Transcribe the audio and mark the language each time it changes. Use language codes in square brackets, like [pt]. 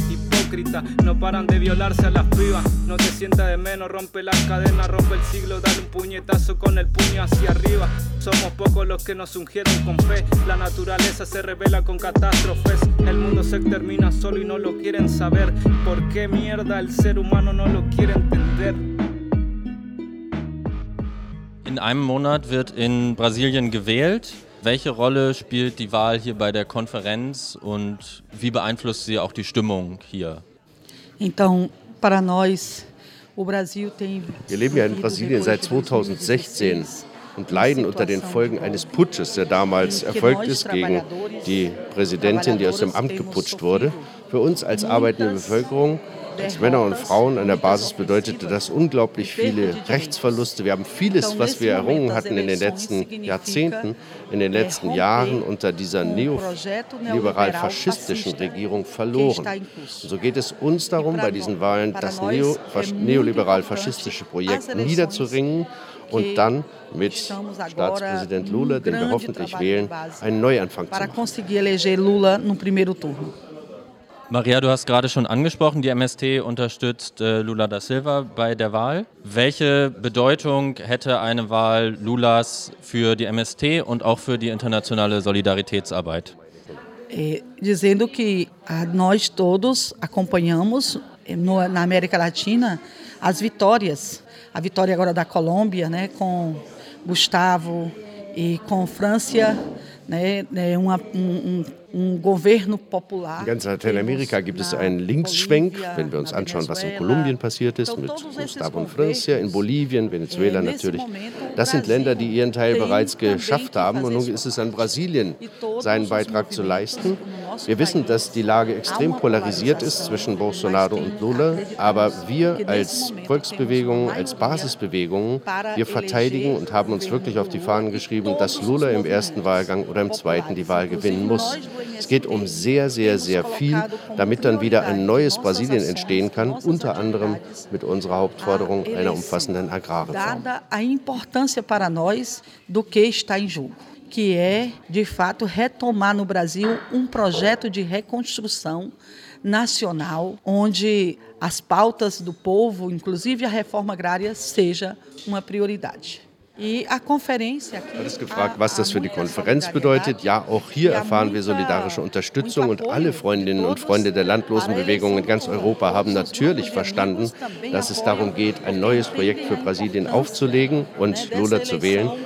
[es] Hipócrita, no paran de violarse a las pibas. No te sientas de menos, rompe las cadenas, rompe el siglo. Dale un puñetazo con el puño hacia arriba. Somos pocos los que nos ungieron con fe. La naturaleza se revela con catástrofes. El mundo se termina solo y no lo quieren saber. ¿Por qué mierda el ser humano no lo quiere entender? [de] In einem Monat wird in Brasilien gewählt. Welche Rolle spielt die Wahl hier bei der Konferenz und wie beeinflusst sie auch die Stimmung hier? [pt] Então, para nós, o Brasil tem. [de] Wir leben ja in Brasilien seit 2016. Und leiden unter den Folgen eines Putsches, der damals erfolgt ist gegen die Präsidentin, die aus dem Amt geputscht wurde. Für uns als arbeitende Bevölkerung, als Männer und Frauen an der Basis, bedeutete das unglaublich viele Rechtsverluste. Wir haben vieles, was wir errungen hatten in den letzten Jahrzehnten, in den letzten Jahren unter dieser neoliberal-faschistischen Regierung verloren. Und so geht es uns darum, bei diesen Wahlen das neoliberal-faschistische Projekt niederzuringen. Und dann mit Staatspräsident Lula, den wir hoffentlich wählen, einen Neuanfang zu machen. Maria, du hast gerade schon angesprochen, die MST unterstützt Lula da Silva bei der Wahl. Welche Bedeutung hätte eine Wahl Lulas für die MST und auch für die internationale Solidaritätsarbeit? [pt] Dizendo que nós todos acompanhamos na América Latina as vitórias. A vitória agora da Colômbia, né, com Gustavo e com França, né, um governo popular. Em toda a América [de] gibt es einen Linksschwenk, wenn wir uns anschauen, was in Kolumbien passiert ist, mit Gustavo und França, in Bolivien, Venezuela natürlich. Das sind Länder, die ihren Teil bereits geschafft haben und nun ist es an Brasilien, seinen Beitrag zu leisten. Wir wissen, dass die Lage extrem polarisiert ist zwischen Bolsonaro und Lula, aber wir als Volksbewegung, als Basisbewegung, wir verteidigen und haben uns wirklich auf die Fahnen geschrieben, dass Lula im ersten Wahlgang oder im zweiten die Wahl gewinnen muss. Es geht um sehr, sehr, sehr viel, damit dann wieder ein neues Brasilien entstehen kann, unter anderem mit unserer Hauptforderung einer umfassenden Agrarreform. [pt] Que é, de fato, retomar no Brasil projeto de reconstrução nacional, onde as pautas do povo, inclusive a reforma agrária, seja uma prioridade. E a conferência aqui... [de] Alles gefragt, was das für die Konferenz bedeutet. Ja, auch hier erfahren wir solidarische Unterstützung und alle Freundinnen und Freunde der Landlosenbewegung in ganz Europa haben natürlich verstanden, dass es darum geht, ein neues Projekt für Brasilien aufzulegen und Lula zu wählen.